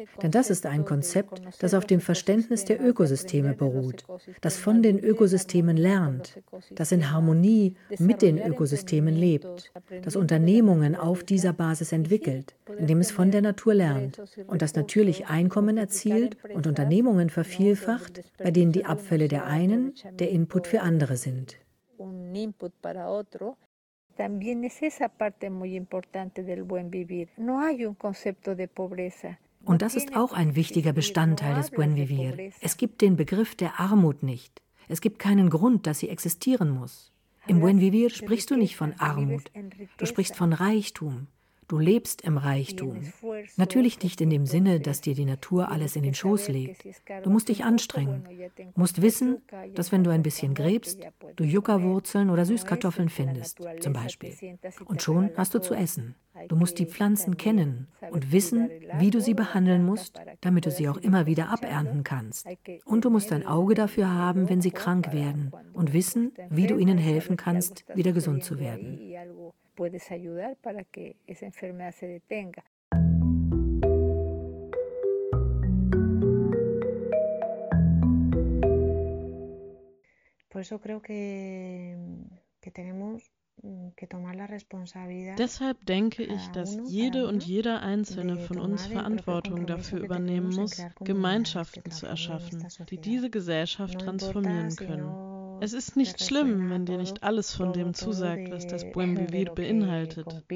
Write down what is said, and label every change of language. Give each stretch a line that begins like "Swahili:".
German: Denn das ist ein Konzept, das auf dem Verständnis der Ökosysteme beruht, das von den Ökosystemen lernt, das in Harmonie mit den Ökosystemen lebt, das Unternehmungen auf dieser Basis entwickelt, indem es von der Natur lernt und das natürlich Einkommen erzielt und Unternehmungen vervielfacht, bei denen die Abfälle der einen der Input für andere sind.
Spanish: Un input para otro, también es esa parte muy importante del buen vivir. No hay un concepto de pobreza.
German: Und das ist auch ein wichtiger Bestandteil des Buen Vivir. Es gibt den Begriff der Armut nicht. Es gibt keinen Grund, dass sie existieren muss. Im Buen Vivir sprichst du nicht von Armut. Du sprichst von Reichtum. Du lebst im Reichtum. Natürlich nicht in dem Sinne, dass dir die Natur alles in den Schoß legt. Du musst dich anstrengen. Du musst wissen, dass wenn du ein bisschen gräbst, du Yucca-Wurzeln oder Süßkartoffeln findest, zum Beispiel. Und schon hast du zu essen. Du musst die Pflanzen kennen und wissen, wie du sie behandeln musst, damit du sie auch immer wieder abernten kannst. Und du musst ein Auge dafür haben, wenn sie krank werden und wissen, wie du ihnen helfen kannst, wieder gesund zu werden.
Spanish: Puedes ayudar para que esa enfermedad se detenga. Por eso creo que tenemos que tomar la responsabilidad.
German: Deshalb denke ich, dass jede und jeder Einzelne von uns Verantwortung dafür übernehmen muss, Gemeinschaften zu erschaffen, die diese Gesellschaft transformieren können. Es ist nicht schlimm, wenn dir nicht alles von dem zusagt, was das Buen Vivir beinhaltet.